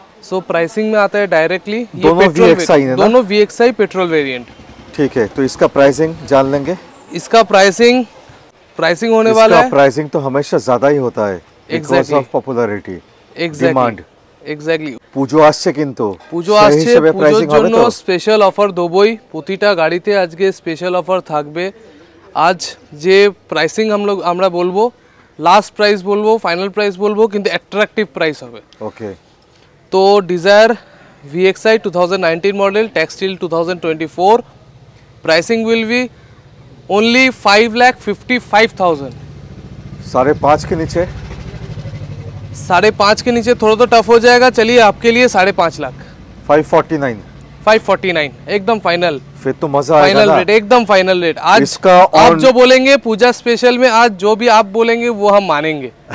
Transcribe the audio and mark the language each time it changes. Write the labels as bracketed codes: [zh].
[hi] सो pricing में आता है डायरेक्टली दोनों VXI पेट्रोल वेरिएंट। ठीक है, तो इसका प्राइसिंग जान लेंगे। इसका प्राइसिंग होने वाला है, प्राइसिंग तो हमेशा ज्यादा ही होता है [en] Because of popularity, demand. Exactly, [bn] পূজো আসছে, কিন্তু পূজো আসছে, পূজোর জন্য স্পেশাল অফার দোবই। প্রতিটা গাড়িতে আজকে স্পেশাল অফার থাকবে। আজ যে প্রাইসিং আমরা বলবো, লাস্ট প্রাইস বলবো, ফাইনাল প্রাইস বলবো, কিন্তু অ্যাট্রাকটিভ প্রাইস হবে। [en] okay, [bn] তো desire VXI 2019 model, textile 2024, [en] Pricing will be only 5,55,000। [hi] সাড়ে পাঁচ কে নিচে, साढ़े पाँच के नीचे थोड़ा तो टफ हो जाएगा। चलिए आपके लिए 5,55,000। 549 एकदम फाइनल। फिर तो मजा आएगा ना। रेट एकदम फाइनल रेट आज इसका। आप जो बोलेंगे पूजा स्पेशल में, आज जो भी आप बोलेंगे वो हम मानेंगे।